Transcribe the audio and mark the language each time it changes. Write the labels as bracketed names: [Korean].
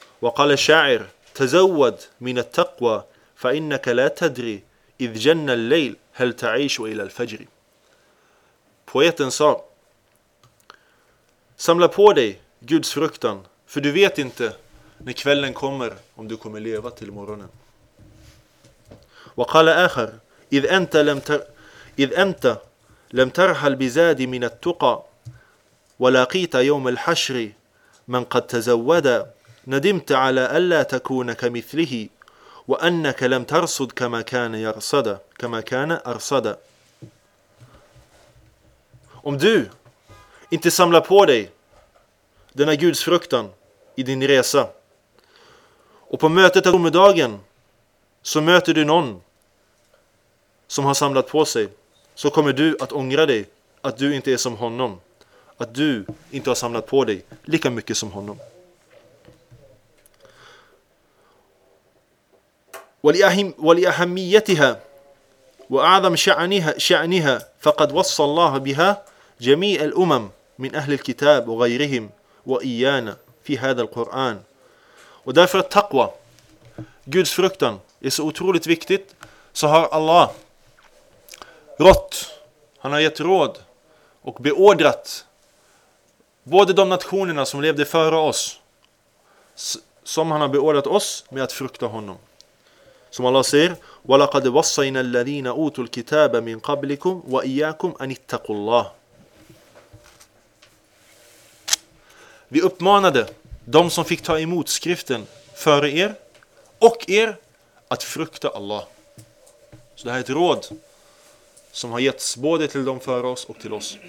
[Arabic] وَقَالَ شَاعِرْ تَزَوَّدْ مِنَ التَّقْوَى فَإِنَّكَ لَا تَدْرِي إِذْ جَنَّ اللَّيْلِ هَلْ تَعِيشُ إِلَى الْفَجْرِ. [Swedish] Poeten sa, samla på dig Guds fruktan, för du vet inte när kvällen kommer om du kommer leva till morgonen. [Arabic] وقال آخر إذ أنت لم ترحل بزاد من التقى ولاقيت يوم الحشر من قد تزود ندمت على ألا تكون كمثله وأنك لم ترصد كما كان أرصد. [Swedish] Om du inte samlar på dig denna Guds fruktan i din resa, och på mötet av domedagen så möter du någon som har samlat på sig, så kommer du att ångra dig att du inte är som honom, att du inte har samlat på dig lika mycket som honom. [Arabic] وَلِأَهَمِّيَّتِهَا وَأَعْظَمْ شَعْنِهَا فَقَدْ وَصَّى اللَّهَ بِهَا جَمِيعَ الْأُمَمِ مِنْ أَهْلِ الْكِتَابِ وَغَيْرِهِمْ وَإِيَّانَ فِي هَذَا الْقُرْآنِ. [Swedish] Och därför att taqwa, Guds fruktan, är så otroligt viktigt, så har Allah rått, han har gett råd och beordrat både de nationerna som levde före oss, som han har beordrat oss med att frukta honom. Som Allah säger, [Arabic] وَلَقَدْ وَصَّيْنَا الَّذِينَ أُوتُوا الْكِتَابَ مِنْ قَبْلِكُمْ وَإِيَّاكُمْ أَنِ اتَّقُوا اللَّهِ. [Swedish] Vi uppmanade de som fick ta emot skriften före er och er att frukta Allah. Så det här är ett råd som har getts både till dem före oss och till oss.